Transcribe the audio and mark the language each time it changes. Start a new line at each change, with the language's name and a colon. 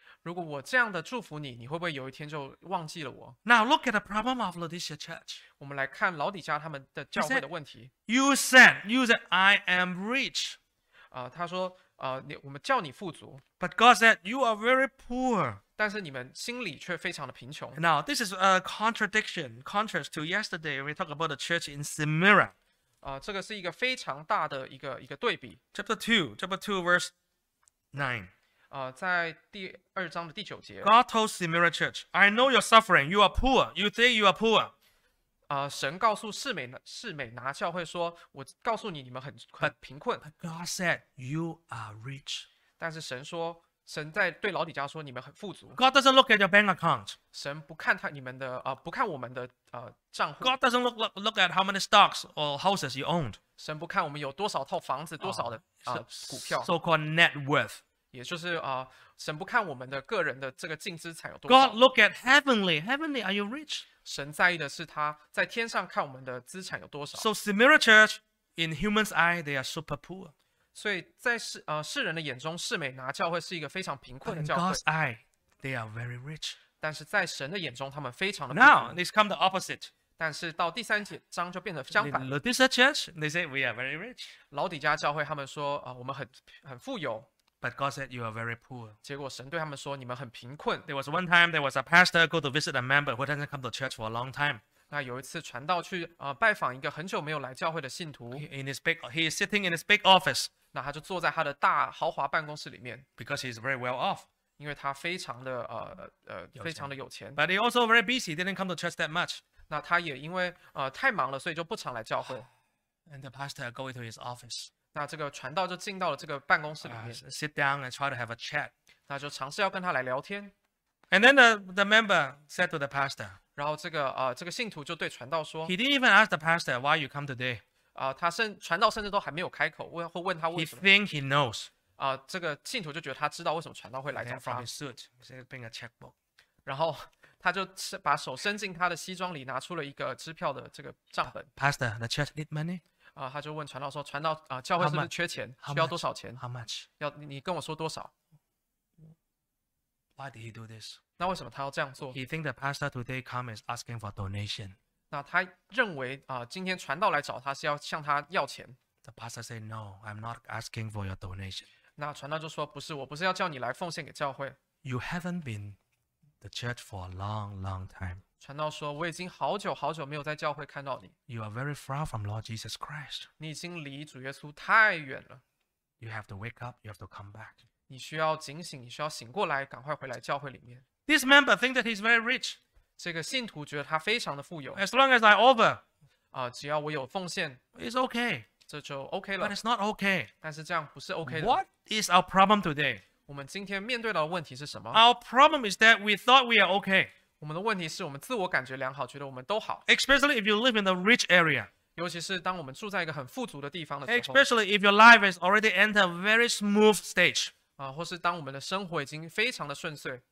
Chinese: 如果我这样的祝福你，你会不会有一天就忘记了我？
English: Now look at the problem of Laodicea Church.
Chinese: 我们来看老底家他们的教会的问题。
English: You said, I am rich.
Chinese: 他说，我们叫你富足。
English: But God said, you are very poor.
Chinese: 但是你们心里却非常的贫穷。
English: Now this is a contrast to yesterday when we talk about the church in Samaria.
Chinese: 这个是一个非常大的一个对比。
English: Chapter 2 verse 9。
Chinese: 在第二章的第九节。
English: God told Samaria church, I know your suffering, you are poor, you think you are poor.
Chinese: 神告诉士美拿教会说，我告诉你，你们很贫困。
English: But God said, you are rich.
Chinese: 但是神说，神在对老底家说，你们很富足。
English: God doesn't look at your bank account.
Chinese: 神不看你们的不看我们的账户。
English: God doesn't look at how many stocks or houses you owned.
Chinese: 神不看我们有多少套房子，多少的股票。
English: So-called net worth.
Chinese: 也就是神不看我们的个人的这个净资产有多少。
English: God look at heavenly. Heavenly, are you rich?
Chinese: 神在意的是他在天上看我们的资产有多少。
English: So Samaria church, in humans' eye, they are super poor.
Chinese: 所以在世人的眼中，士美拿教会是一个非常贫困的教会。
English: In God's eye, they are very rich.
Chinese: 但是在神的眼中，他们非常的贫困。
English: Now, this comes the opposite.
Chinese: 但是到第三章就变得相反。
English: Laodicea church, they say we are very rich.
Chinese: 老底家教会他们说我们很富有。
English: But God said you are very poor.
Chinese: 结果神对他们说你们很贫困。
English: There was one time there was a pastor go to visit a member who hasn't come to church for a long time.
Chinese: 那有一次传道去拜访一个很久没有来教会的信徒。
English: He is sitting in his big office.
Chinese: 那他就坐在他的大豪华办公室里面。
English: Because he is very well off.
Chinese: 因为他非常的非常的有钱。
English: But he also very busy. Didn't come to church that much.
Chinese: 那他也因为太忙了，所以就不常来教会。
English: And the pastor go into his office.
Chinese: 那这个传道就进到了这个办公室里面。
English: Sit down and try to have a chat.
Chinese: 那就尝试要跟他来聊天。
English: And then the member said to the pastor.
Chinese: 然后这个信徒就对传道说
English: ，He didn't even ask the pastor why you come today.
Chinese: 他甚传道甚至都还没有开口问，或问他为什么。
English: He think he knows。
Chinese: 这个信徒就觉得他知道为什么传道会来找他。
English: From his suit, he's been a checkbook。
Chinese: 然后他就把手伸进他的西装里，拿出了一个支票的这个账本。
English: Pastor, the church need money。
Chinese: 他就问传道说，传道教会是不是缺钱？
English: How much?
Chinese: 需要多少钱
English: ？How much？
Chinese: 要你跟我说多少
English: ？Why did he do this？
Chinese: 那为什么他要这样做
English: ？He think the pastor today come is asking for donation。
Chinese: 那他认为今天传道来找他是要向他要钱。
English: The pastor say no, I'm not asking for your donation。
Chinese: 那传道就说不是，我不是要叫你来奉献给教会。
English: You haven't been the church for a long, long time。
Chinese: 传道说我已经好久好久没有在教会看到你。
English: You are very far from Lord Jesus Christ。
Chinese: 你已经离主耶稣太远了。
English: You have to wake up, you have to come back。
Chinese: 你需要警醒，你需要醒过来，赶快回来教会里面。
English: This member think that he's very rich。
Chinese: 这个信徒觉得他非常的富有。
English: As long as I offer，
Chinese: 只要我有奉献
English: ，it's okay，
Chinese: 这就 OK 了。
English: But it's not okay。
Chinese: 但是这样不是 OK 的。
English: What is our problem today？
Chinese: 我们今天面对的问题是什么
English: ？Our problem is that we thought we are okay。
Chinese: 我们的问题是我们自我感觉良好，觉得我们都好。
English: Especially if you live in the rich area，
Chinese: 尤其是当我们住在一个很富足的地方的时候。
English: Especially if your life has already entered a very smooth stage，
Chinese: 或是当我们的生活已经非常的顺遂。